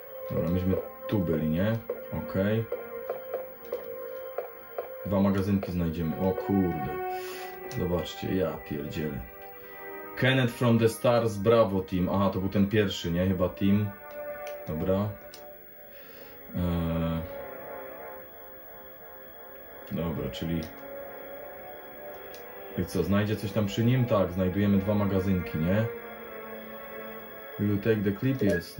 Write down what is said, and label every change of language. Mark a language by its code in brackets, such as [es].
[pl] Dobra, myśmy tu byli, nie? Okej. Dwa magazynki znajdziemy. O kurde. Zobaczcie, ja pierdzielę. [en] Kenneth from the Stars, [pl] brawo [en] team. [pl] Aha, to był ten pierwszy, nie? Chyba team. Dobra. Dobra, czyli... I co, znajdzie coś tam przy nim? Tak, znajdujemy dwa magazynki, nie? [en] Will you take the clip? Yes.